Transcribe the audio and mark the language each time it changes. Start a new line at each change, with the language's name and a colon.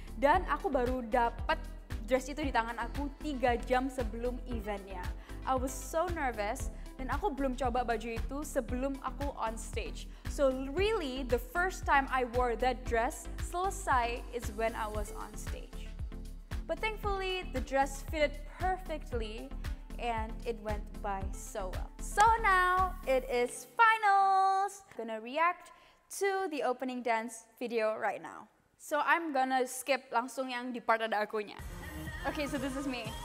Indonesian: Dan aku baru dapat dress itu di tangan aku 3 jam sebelum eventnya.
English: I was so nervous
Indonesian: dan aku belum coba baju itu sebelum aku on stage.
English: So really the first time I wore that dress selesai is when I was on stage. But thankfully, the dress fitted perfectly and it went by so well. So now, it is finals! Gonna react to the opening dance video right now. So I'm gonna skip
Indonesian: langsung yang di part ada akunya.
English: Okay, so this is me.